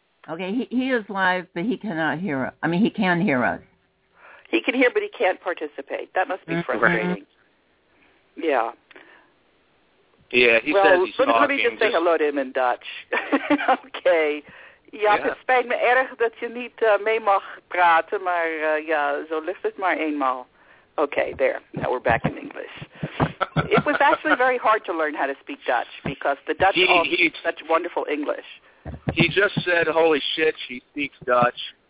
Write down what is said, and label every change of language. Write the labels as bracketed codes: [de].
[en] Okay, he is live, but he cannot hear us. I mean, he can hear us. He can hear, but he can't participate. That must be frustrating. Right. Yeah. Yeah, he well, says he's let me talking. Let me just say hello to him in Dutch. Okay. [nl] Ja, het spijt me erg dat je niet mee mag praten, maar ja, zo ligt het maar eenmaal. [en] Okay, there. Now we're back in English. It was actually very hard to learn how to speak Dutch because the Dutch all speak such wonderful English. He just said, holy shit, she speaks Dutch.